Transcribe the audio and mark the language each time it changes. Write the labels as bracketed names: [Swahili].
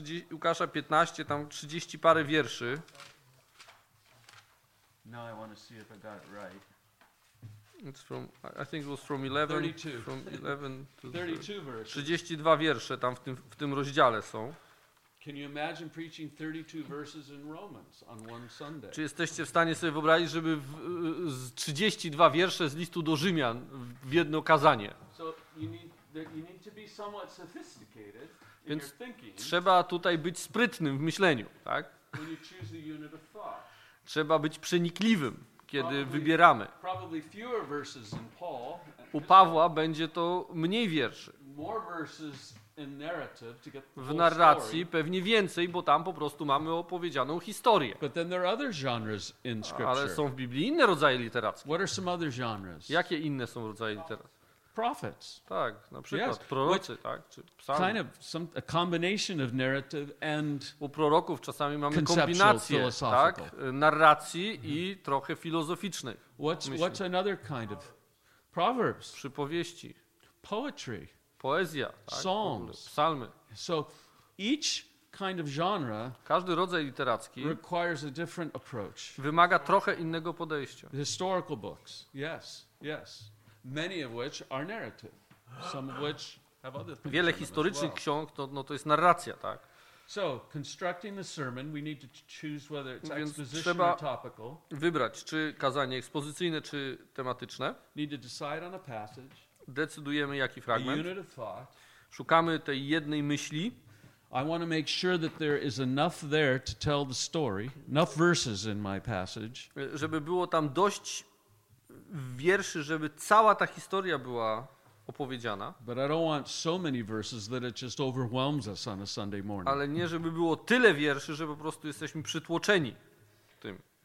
[Polish] Łukasza 15, tam 30 parę wierszy. [English] Now I want to see if I got it right. It's from, I think it was from 11. 32. From 11 to 32 verses. [Polish] 32 wiersze tam w tym rozdziale są. [English] Can you imagine preaching 32 verses in Romans on one Sunday? [Polish] Czy jesteście w stanie sobie wyobrazić, żeby z 32 wiersze z listu do Rzymian w jedno kazanie? [English] So you need to be somewhat sophisticated in your thinking. [Polish] Trzeba tutaj być sprytnym w myśleniu, tak? [English] When you choose the unit of thought. [Polish] Trzeba być przenikliwym, kiedy wybieramy. [English] Probably fewer verses in Paul. [Polish] U Pawła będzie to mniej wierszy. [English] More verses [Polish] w narracji pewnie więcej, bo tam po prostu mamy opowiedzianą historię. [English] But then there are other genres in scripture. [Polish] Ale są w Biblii inne rodzaje literackie. [English] What are some other genres? [Polish] Jakie inne są rodzaje literackie? [English] Prophets. [Polish] Tak, na przykład yes. Prorocy, tak, czy psalmy. [English] Kind of some, a combination of narrative and [Polish] u proroków czasami mamy kombinację, tak, narracji mm-hmm. i trochę filozoficznych. [English] What's another kind of proverbs? [Polish] Przypowieści. [English] Poetry. [Polish] Poezja, tak, [English] songs. [Polish] Psalmy. [English] So each kind of genre. [Polish] Każdy rodzaj literacki [English] requires a different approach. [Polish] Wymaga trochę innego podejścia. [English] Historical books. Yes. Yes. Many of which are narrative. Some of which have other things. [Polish] Wiele historycznych ksiąg to no to jest narracja, tak. [English] So, constructing the sermon, we need to choose whether it's expositional or topical. [Polish] Wybrać czy kazanie ekspozycyjne czy tematyczne. [English] Need to decide on a passage. [Polish] Decydujemy jaki fragment. Szukamy tej jednej myśli. [English] I want to make sure that there is enough there to tell the story, enough verses in my passage. [Polish] Żeby było tam dość wierszy, żeby cała ta historia była opowiedziana. [English] But I don't want so many verses that it just overwhelms us on a Sunday morning. [Polish] Ale nie żeby było tyle wierszy, że po prostu jesteśmy przytłoczeni tym.